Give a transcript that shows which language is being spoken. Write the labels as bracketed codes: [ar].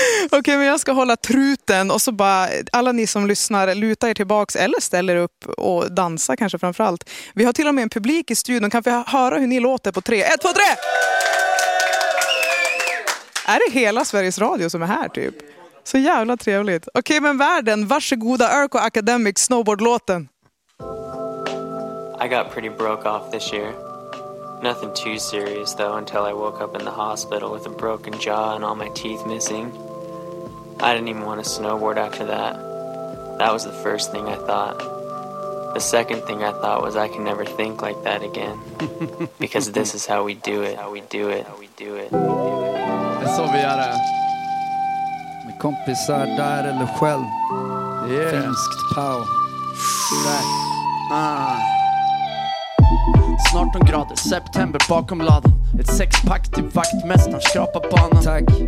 [sv] Okej, men jag ska hålla truten, och så bara alla ni som lyssnar, luta er tillbaks eller ställer upp och dansa kanske framförallt. Vi har till och med en publik i studion. Kan vi höra hur ni låter på 3? 1, 2, 3! Är det hela Sveriges Radio som är här typ? Så jävla trevligt. Okej, men världen, varsågoda, Irk och Academic, snowboardlåten. [en] I got pretty broke off this year. Nothing too serious though, until I woke up in the hospital with a broken jaw and all my teeth missing. I didn't even want to snowboard after that. That was the first thing I thought. The second thing I thought was I can never think like that again. Because this is how we do it. How we do it. How we do it. [sv] Det är så vi gör det. Med kompisar där eller själv. Finskt pow. Snart 18 grader, september bakom ladan. Ett sexpack till vaktmästaren, skrapar banan. Tack.